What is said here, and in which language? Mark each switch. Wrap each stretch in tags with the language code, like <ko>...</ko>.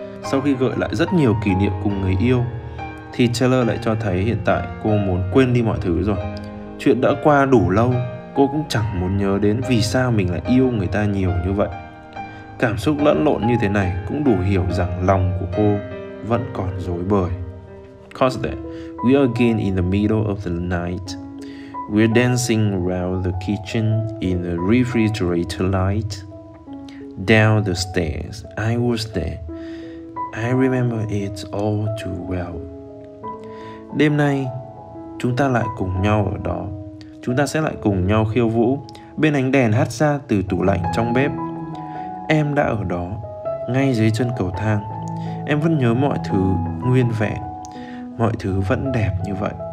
<vi>Sau khi gợi lại rất nhiều kỷ niệm cùng người yêu, thì Taylor lại cho thấy hiện tại cô muốn quên đi mọi thứ rồi. Chuyện đã qua đủ lâu, cô cũng chẳng muốn nhớ đến vì sao mình lại yêu người ta nhiều như vậy. Cảm xúc lẫn lộn như thế này cũng đủ hiểu rằng lòng của cô vẫn còn rối bời.</vi> <en>Cause that, we are again in the middle of the night. We're dancing around the kitchen in the refrigerator light. Down the stairs, I was there. I remember it all too well.</en> <vi>Đêm nay, chúng ta lại cùng nhau ở đó. Chúng ta sẽ lại cùng nhau khiêu vũ bên ánh đèn hắt ra từ tủ lạnh trong bếp. Em đã ở đó, ngay dưới chân cầu thang. Em vẫn nhớ mọi thứ nguyên vẹn, mọi thứ vẫn đẹp như vậy.</vi>